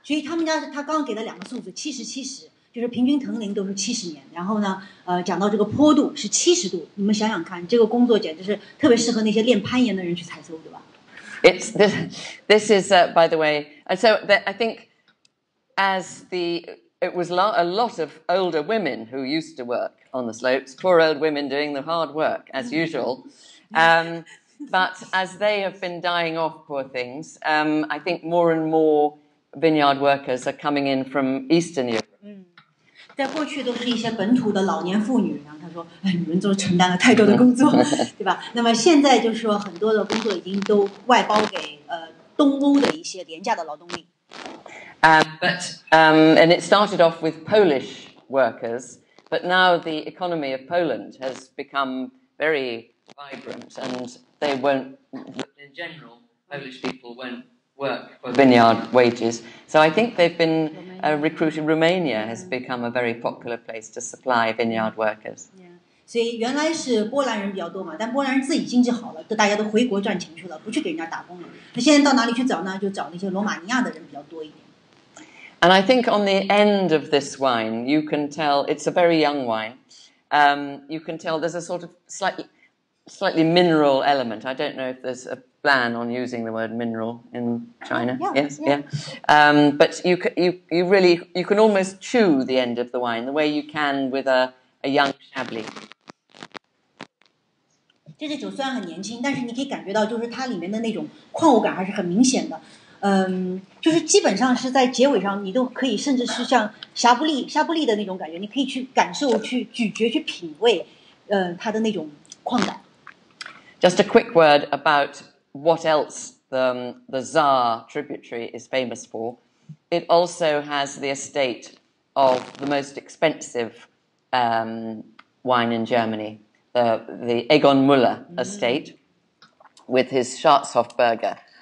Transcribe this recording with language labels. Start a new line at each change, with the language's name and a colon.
Chinese: 所以他们家他刚给了两个数字，七十七十，就是平均藤龄都是七十年。然后呢，讲到这个坡度是七十度，你们想想看，这个工作简直是特别适合那些练攀岩的人去采收，对吧
English: ？It's this is by the way, and so I think as the it was a lot of older women who used to work on the slopes, poor old women doing the hard work as usual. But as they have been dying off, poor things, I think more and more vineyard workers are coming in from Eastern Europe.
Chinese: 在过去都是一些本土的老年妇女，然后她说，哎，你们都承担了太多的工作，对吧？那么现在就是说很多的工作已经都外包给东欧的一些廉价的劳动力。
English: And it started off with Polish workers, but now the economy of Poland has become very vibrant and they won't, in general, Polish people won't work for vineyard wages. So I think they've been recruited. Romania has become a very popular place to supply vineyard workers. Yeah.
Chinese: 所以原来是波兰人比较多嘛，但波兰人自己经济好了，大家都回国赚钱去了，不去给人家打工了。那现在到哪里去找呢？就找那些罗马尼亚的人比较多一点。
English: And I think on the end of this wine, you can tell, it's a very young wine, you can tell there's a sort of slightly mineral element. I don't know if there's a ban on using the word mineral in China. But you really, you can almost chew the end of the wine the way you can with a young Chablis.
Chinese: 这个酒虽然很年轻，但是你可以感觉到就是它里面的那种矿物感还是很明显的。就是基本上是在结尾上，你都可以，甚至是像霞布利的那种感觉，你可以去感受、去咀嚼、去品味，它的那种矿感。
English: Just a quick word about what else the Czar tributary is famous for. It also has the estate of the most expensive wine in Germany, the Egon Müller estate, with his Schwarzhofburger.